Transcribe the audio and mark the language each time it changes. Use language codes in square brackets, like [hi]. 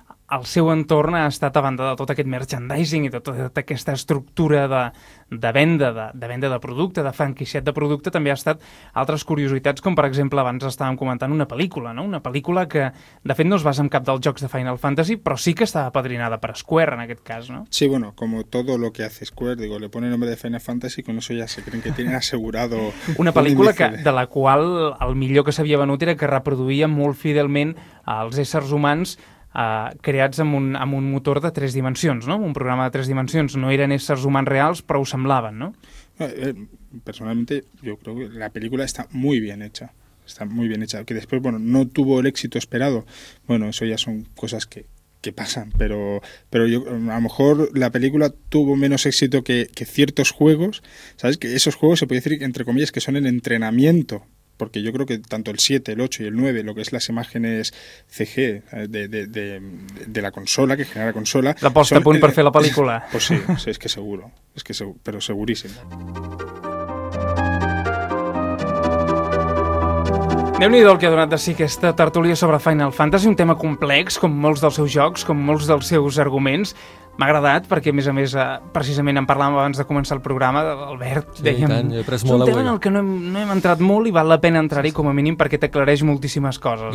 [ca] El seu entorn ha estat, a banda de tot aquest merchandising i de tota aquesta estructura de venda de producte, de franquiciat de producte, també ha estat altres curiositats, com per exemple abans estàvem comentant una pel·lícula, no? Una pel·lícula que de fet no es basa en cap dels jocs de Final Fantasy, però sí que estava apadrinada per Square en aquest cas, no? [es] Sí, bueno, como todo lo que hace Square, digo, le pone nombre de Final Fantasy, con eso ya se creen que tienen asegurado... [ca] Una pel·lícula que, de la qual el millor que s'havia venut era que reproduïa molt fidelment els éssers humans creats amb un motor de tres dimensions, no? Un programa de tres dimensions. No eren éssers humans reals, però ho semblaven, no? [es] Personalmente, yo creo que la película está muy bien hecha. Está muy bien hecha. Que después, bueno, no tuvo el éxito esperado. Bueno, eso ya son cosas que pasan, pero yo, a lo mejor la película tuvo menos éxito que ciertos juegos, ¿sabes? Que esos juegos, se puede decir, entre comillas, que son el entrenamiento. Porque yo creo que tanto el 7, el 8 y el 9, lo que es las imágenes CG de la consola, que genera la consola... [ca] La posta a punt per fer la pel·lícula. [es] Pues sí, es que seguro, es que seguro, pero segurísimo. [ca] Déu-n'hi-do el que ha donat de si aquesta tertúlia sobre Final Fantasy, un tema complex, com molts dels seus jocs, com molts dels seus arguments. M'ha agradat, perquè a més, precisament en parlàvem abans de començar el programa, Albert, sí, dèiem... Tant, jo he pres molt avui. És un tema en què no hem entrat molt i val la pena entrar-hi, com a mínim, perquè t'aclareix moltíssimes coses.